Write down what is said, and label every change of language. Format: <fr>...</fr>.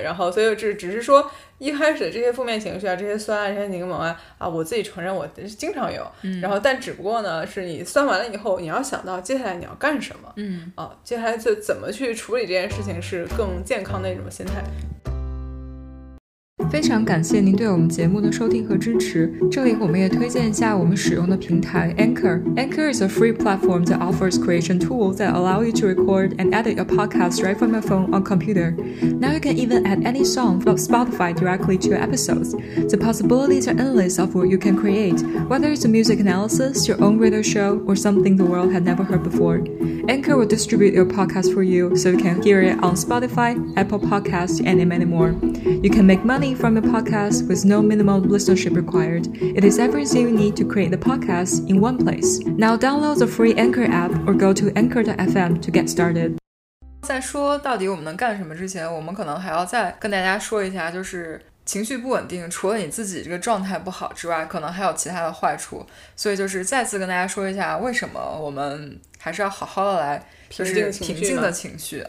<zh>然后所以只是说一开始这些负面情绪啊，这些酸啊，这些柠檬啊，啊，我自己承认我经常有，然后但只不过呢，是你酸完了以后，你要想到接下来你要干什么，接下来就怎么去处理这件事情是更健康的一种心态。非常感谢您对我们节目的收听和支持，这里我们也推荐一下我们使用的平台 Anchor。</zh> <en>Anchor is a free platform that offers creation tool that allow you to record and edit your podcast right from your phone or computer. Now you can even add any song from Spotify directly to your episodes. The possibilities are endless of what you can create, whether it's a music analysis, your own radio show, or something the world had never heard before. Anchor will distribute your podcast for you so you can hear it on Spotify, Apple Podcasts, and many more. You can make money from your podcast with no minimum listenership required. It is everything you need to create the podcast in one place. Now download the free Anchor app or go to anchor.fm to get started.</en> <zh>在说到底我们能干什么之前，我们可能还要再跟大家说一下，就是情绪不稳定除了你自己这个状态不好之外，可能还有其他的坏处，所以就是再次跟大家说一下为什么我们还是要好好的来就是平静的情绪。</zh>